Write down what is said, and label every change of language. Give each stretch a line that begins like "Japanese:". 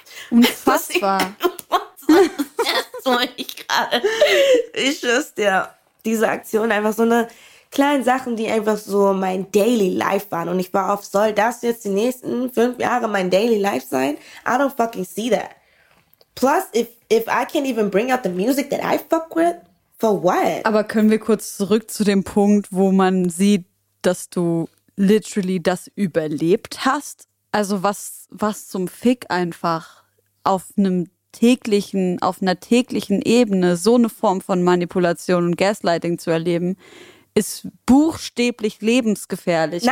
German: Unfassbar. Das war ich gerade. Ich schwör's dir. Diese Aktion, einfach so eine kleine Sachen, die einfach so mein Daily Life waren. Und ich war auf, soll das jetzt die nächsten 5 Jahre mein Daily Life sein?
English: I don't fucking see that. Plus, if I can't even bring out the music that I fuck with, for what?
German: Aber können wir kurz zurück zu dem Punkt, wo man sieht, dass du literally das überlebt hast? Also was zum Fick einfach auf einem täglichen, auf einer täglichen Ebene so eine Form von Manipulation und Gaslighting zu erleben, ist buchstäblich lebensgefährlich.